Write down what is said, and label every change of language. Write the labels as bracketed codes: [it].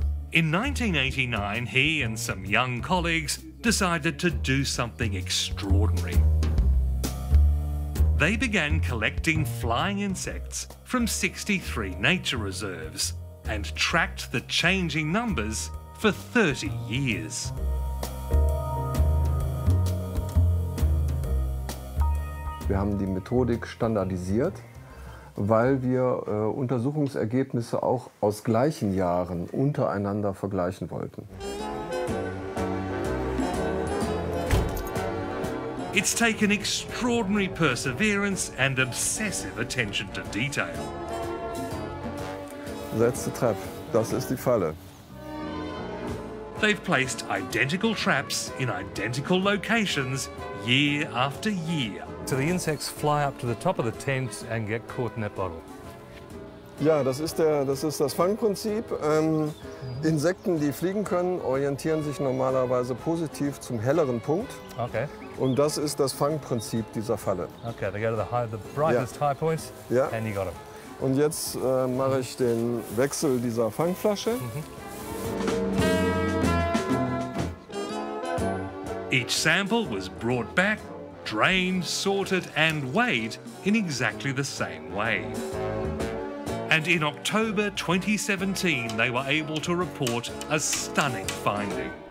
[en] In 1989, he and some young colleagues decided to do something extraordinary. They began collecting flying insects from 63 nature reserves and tracked the changing numbers for 30 years. [de] Wir haben die Methodik standardisiert, weil wir Untersuchungsergebnisse auch aus gleichen Jahren untereinander vergleichen wollten. [en] It's taken extraordinary perseverance and obsessive attention to detail. That's the trap. [de] Das ist die Falle. [en] They've placed identical traps in identical locations year after year. So the insects fly up to the top of the tent and get caught in that bottle. [de] Ja, das ist das Fangprinzip. Insekten, die fliegen können, orientieren sich normalerweise positiv zum helleren Punkt. Okay. Und das ist das Fangprinzip dieser Falle. [en] Okay, they go to the brightest high points, yeah. And you got them. [de] Und jetzt mache ich den Wechsel dieser Fangflasche. [en] Each sample was brought back, drained, sorted, and weighed in exactly the same way. And in October 2017, they were able to report a stunning finding.